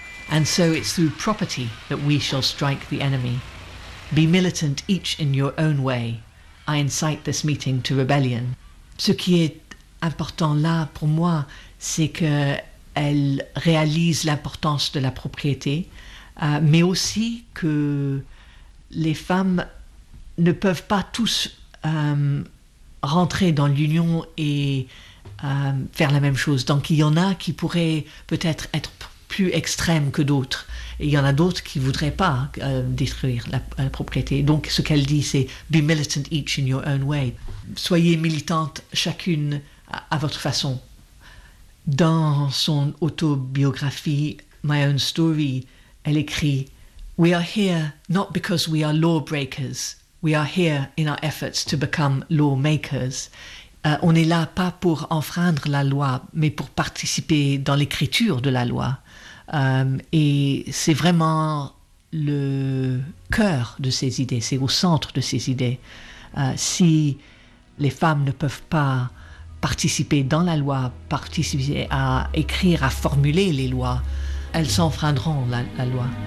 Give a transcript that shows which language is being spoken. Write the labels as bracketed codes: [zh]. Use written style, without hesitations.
[en] And so it's through property that we shall strike the enemy. Be militant each in your own way. I incite this meeting to rebellion. [fr] » Ce qui est important là pour moi, c'est qu'elle réalise l'importance de la propriété, mais aussi que les femmes ne peuvent pas tous rentrer dans l'union et faire la même chose. Donc il y en a qui pourraient peut-être être plus extrêmes que d'autres. Et il y en a d'autres qui ne voudraient pas détruire la propriété. Donc ce qu'elle dit, c'est « [en] be militant each in your own way ». [fr] Soyez militante chacune à votre façon. Dans son autobiographie « My Own Story », elle écrit « [en] We are here not because we are lawbreakers. We are here in our efforts to become lawmakers. [fr] On n'est là pas pour enfreindre la loi, mais pour participer dans l'écriture de la loi. Et c'est vraiment le cœur de ces idées, c'est au centre de ces idées. Si les femmes ne peuvent pas participer dans la loi, participer à écrire, à formuler les lois, elles s'enfreindront la loi.